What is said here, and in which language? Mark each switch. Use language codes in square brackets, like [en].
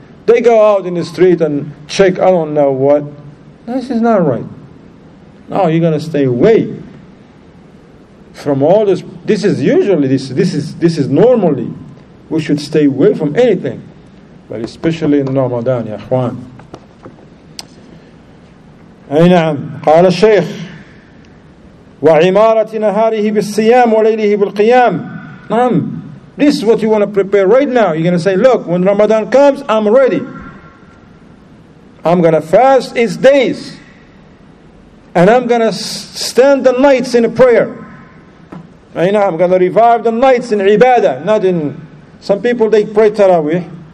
[en] They go out in the street and check, I don't know what. This is not right. No, you're going to stay away from all this. This is usually, this is normally. We should stay away from anything. But especially in Ramadan, ya akhwan. [ar] أينعم قال الشيخ وعمارة نهاره بالصيام وليله بالقيام. نعم. [en] This is what you want to prepare right now. You're going to say, look, when Ramadan comes, I'm ready. I'm going to fast its days. And I'm going to stand the nights in a prayer. [ar] أينعم. [en] I'm going to revive the nights in ibadah. Not in, some people they pray Taraweeh.